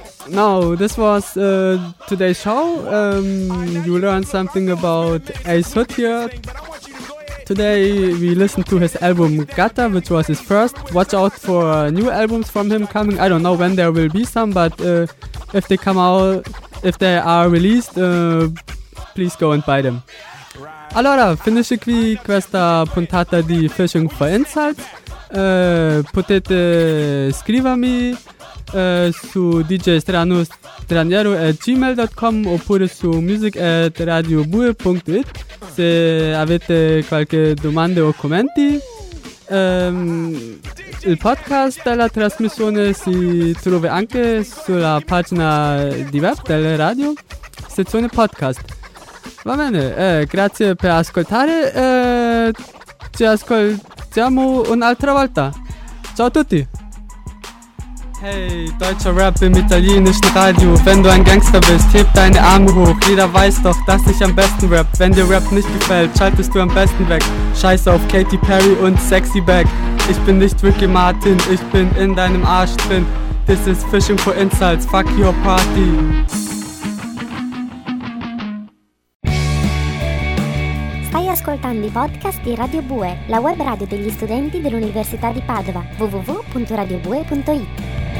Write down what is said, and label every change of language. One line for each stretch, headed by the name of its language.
English: Now, this was today's show. You learned something about Ace Hood here. Today we listened to his album Gata, which was his first. Watch out for new albums from him coming. I don't know when there will be some, but if they come out, if they are released, please go and buy them.
Italian: Allora, finisce qui questa puntata di Fishing for Insights. Potete scrivermi su djstranostraniero@gmail.com oppure su music@radiobue.it se avete qualche domanda o commenti. Il podcast della trasmissione si trova anche sulla pagina di web della radio, sezione podcast. Va bene, grazie per ascoltare, ci ascoltiamo un'altra volta. Ciao a tutti!
German: Hey, deutscher Rap im italienischen Radio. Wenn du ein Gangster bist, heb deine Arme hoch. Jeder weiß doch, dass ich am besten rap. Wenn dir Rap nicht gefällt, schaltest du am besten weg. Scheiße auf Katy Perry und Sexy Back. Ich bin nicht Ricky Martin, ich bin in deinem Arsch drin.
English: This is Fishing for Insults, fuck your party.
Italian: Stai ascoltando i podcast di Radio Bue, la web radio degli studenti dell'Università di Padova. www.radiobue.it